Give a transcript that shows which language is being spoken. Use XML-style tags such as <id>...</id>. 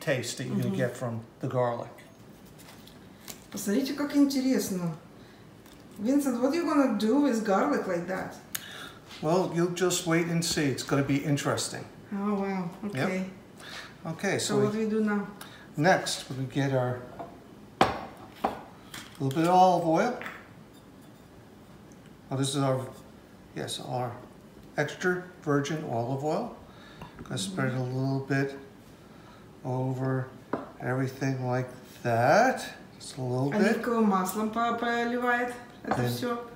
<en>taste that you're gonna get from the garlic.</en> <ru>Посмотрите, как интересно.</ru> <en>Винсент, what are you gonna do with garlic like that? Well, you'll just wait and see. It's gonna be interesting. Oh, wow, okay. Yep. Okay, so what do we do now? Next, we're gonna get our little bit of olive oil. Oh, this is our extra virgin olive oil. I'm gonna spread it a little bit over everything like that. Just a little bit.</en> <ru>Оливковым маслом поливает это все.</ru>